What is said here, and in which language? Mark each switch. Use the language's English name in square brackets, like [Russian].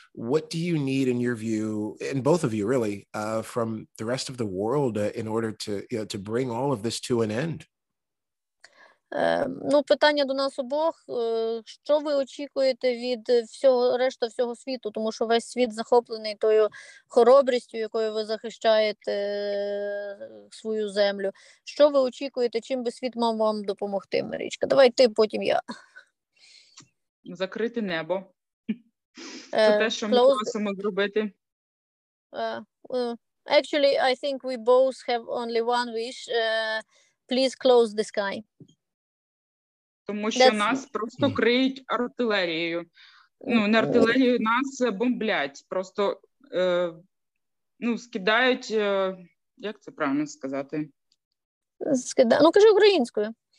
[English] What do you need, in your view, and both of you really, from the rest of the world in order to, you know, to bring all of this to an end? [Ukrainian] Питання до нас обох. Що ви очікуєте від всього решта всього світу? Тому що весь світ захоплений тою хоробрістю, якою ви захищаєте свою землю. Що ви очікуєте? Чим би світ мав вам допомогти, Марічка? Давай ти, потім я. Закрити небо. Це те, що ми просимо зробити. [English] Actually, I think we both have only one wish. Please close the sky. [Ukrainian] Тому що нас просто криють артилерією. Ну, не артилерією, нас бомблять. Просто скидають, як це правильно сказати? Кажи українською.